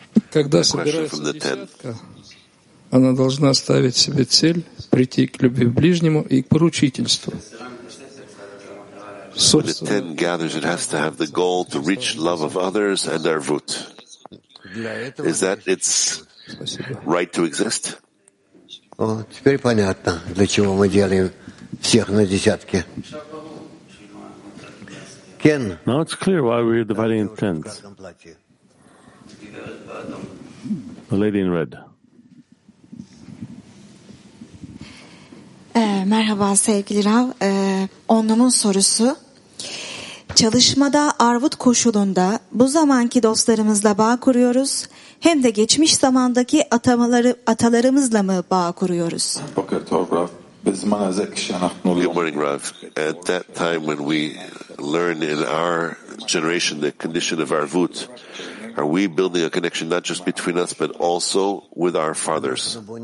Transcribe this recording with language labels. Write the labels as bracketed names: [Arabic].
[Russian] Когда собирается десятка, она должна ставить себе цель прийти к любви ближнему и к поручительству. [English] When the ten gathers, it has to have the goal to reach love of others and arvut. Is that its right to exist? [Russian] Теперь понятно, для чего мы делаем всех на десятки. [Hebrew] Ken. [English] Now it's clear why we're dividing in tens. The lady in red. [Turkish] Merhaba sevgili Rav. Onun sorusu. Çalışmada Arvut koşulunda bu zamanki dostlarımızla bağ kuruyoruz. Hem de geçmiş zamandaki atalarımızla mı bağ kuruyoruz? [English] Good morning, Rav. At that time when we learn in our generation the condition of Arvut, are we building a connection not just between us but also with our fathers?